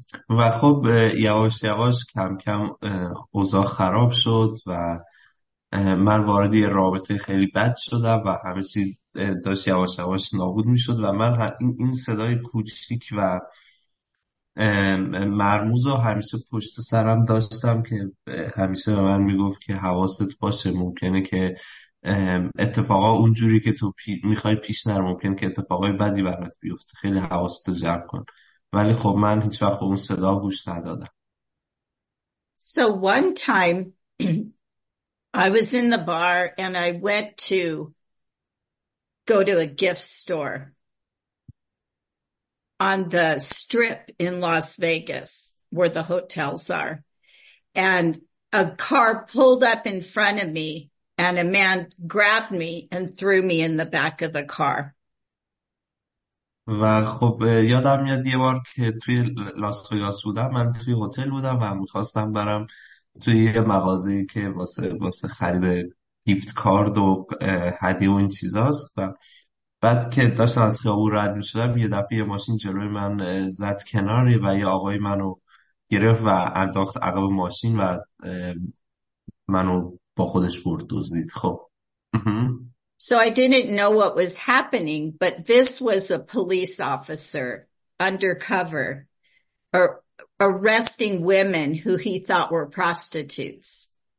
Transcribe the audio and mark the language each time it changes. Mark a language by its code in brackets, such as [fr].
[fa] و خب یواش یواش کم کم اوضاع خراب شد و من وارد یه رابطه خیلی بد شدم و همه چی داشت یواش یواش نابود می شد و من این صدای کوچیک و مرموز رو همیشه پشت سرم داشتم که همیشه به من می گفت که حواست باشه، ممکنه که اتفاقا اونجوری که تو می خوای پیش نره، ممکنه که اتفاقای بدی برات بیفته، خیلی حواست رو جمع کن. ولی خب من هیچ وقت اون صدا گوش ندادم. [en] So one time I was in the bar and I went to go to a gift store on the strip in Las Vegas where the hotels are. And a car pulled up in front of me and a man grabbed me and threw me in the back of the car. [fa] و خب یادم میاد یه بار که توی لاس وگاس بودم، من توی هتل بودم و میخواستم برم توی یه مغازه که واسه خرید گیفت کارد و هدیه و این چیزاست و بعد که داشتم از خیابون رد میشدم یه دفعه یه ماشین جلوی من زد کنار و یه آقای منو گرفت و انداخت عقب ماشین و منو با خودش برد دزدید. خب [en] So I didn't know what was happening, but this was a police officer undercover arresting women who he thought were prostitutes.